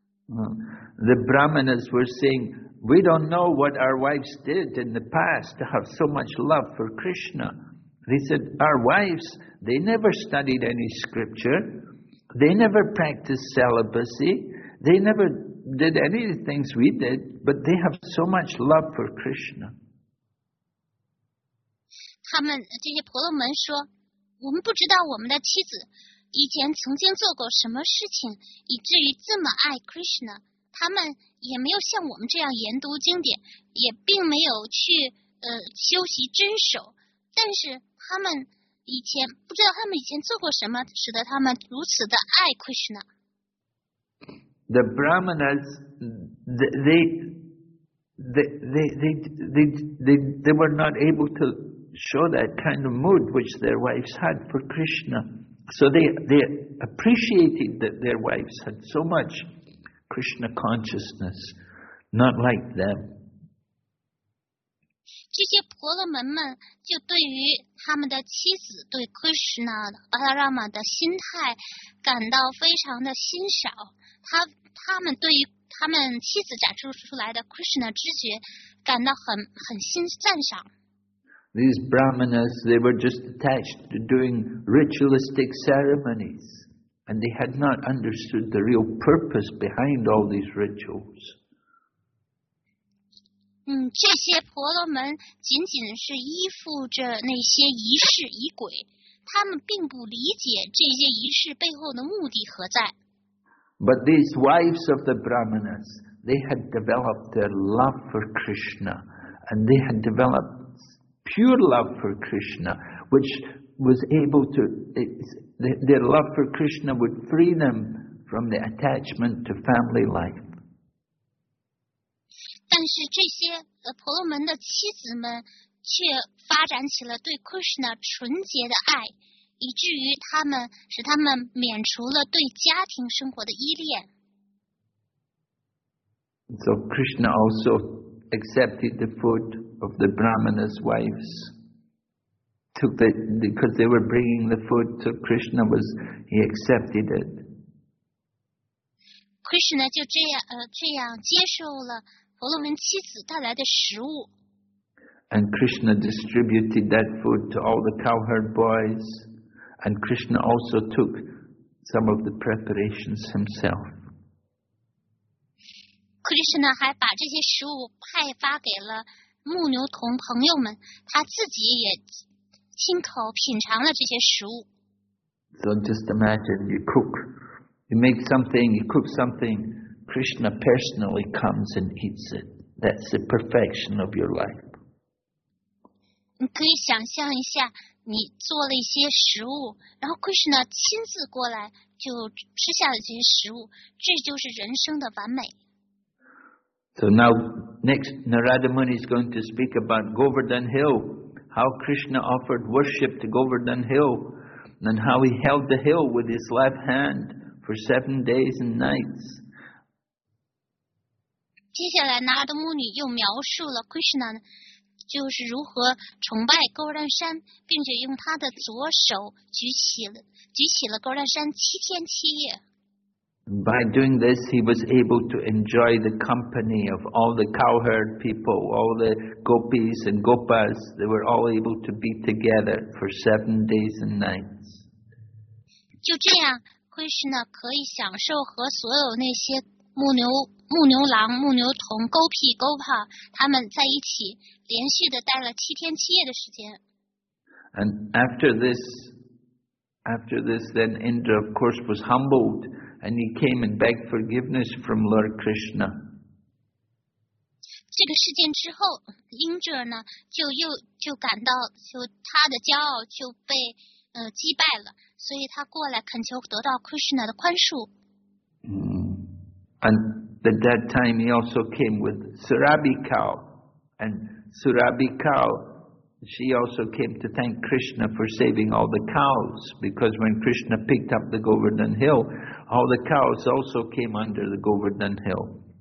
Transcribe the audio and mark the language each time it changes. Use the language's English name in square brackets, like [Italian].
[English] The Brahmanas were saying, we don't know what our wives did in the past to have so much love for Krishna. They said, our wives, they never studied any scripture. They never practiced celibacy. They never did any of the things we did, but they have so much love for Krishna. [Chinese] 他们这些婆罗门说，我们不知道我们的妻子以前曾经做过什么事情，以至于这么爱 Krishna。他们也没有像我们这样研读经典，也并没有去修习真守，但是他们以前不知道他们以前做过什么，使得他们如此的爱 Krishna。 [English] The Brahmanas, they were not able to show that kind of mood which their wives had for Krishna, so they appreciated that their wives had so much Krishna consciousness, not like them. [Chinese] 这些婆罗门们就对于他们的妻子对 Krishna Balarama 的心态感到非常的欣赏。他们对于他们妻子展示出来的 Krishna 知觉感到很欣赞赏。 [English] These brahmanas, they were just attached to doing ritualistic ceremonies, and they had not understood the real purpose behind all these rituals. [Chinese] 这些婆罗门仅仅是依附着那些仪式仪轨，他们并不理解这些仪式背后的目的何在。 [English] But these wives of the brahmanas, they had developed their love for Krishna, and they had developed. Pure love for Krishna, which was able to, their love for Krishna would free them from the attachment to family life. [Chinese] 但是这些婆罗门的妻子们却发展起了对 Krishna 纯洁的爱，以至于使他们免除了对家庭生活的依恋。 [English] So Krishna also accepted the food. Of the brahmana's wives, took the because they were bringing the food, so Krishna was he accepted it. [Chinese] Krishna 就这样接受了婆罗门妻子带来的食物。 [English] And Krishna distributed that food to all the cowherd boys, and Krishna also took some of the preparations himself. [Chinese] Krishna 还把这些食物派发给了。牧牛童朋友们，他自己也亲口品尝了这些食物。 [English] So just imagine, you cook, you make something, you cook something, Krishna personally comes and eats it. That's the perfection of your life. [Chinese] 你可以想象一下，你做了一些食物，然后 Krishna 亲自过来就吃下了这些食物，这就是人生的完美。 [English] So now, next, Narada Muni is going to speak about Govardhan Hill, how Krishna offered worship to Govardhan Hill, and how he held the hill with his left hand for 7 days and nights. [Chinese] 接下来 Narada Muni 又描述了 Krishna 就是如何崇拜 Govardhan 山，并且用他的左手举起了 Govardhan 山7天7夜。 [English] By doing this, he was able to enjoy the company of all the cowherd people, all the gopis and gopas. They were all able to be together for 7 days and nights. [Chinese] 就这样 ，Krishna 可以享受和所有那些牧牛郎、牧牛童、勾屁、勾帕他们在一起，连续的待了7天7夜的时间。 [English] And after this, then Indra, of course, was humbled. And he came and begged forgiveness from Lord Krishna. [Chinese] 这个事件之后，英哲呢就感到就他的骄傲就被击败了，所以他过来恳求得到 Krishna 的宽恕。 [English] And at that time, he also came with Surabhi cow, and Surabhi cow. She also came to thank Krishna for saving all the cows, because when Krishna picked up the Govardhan Hill, all the cows also came under the Govardhan Hill.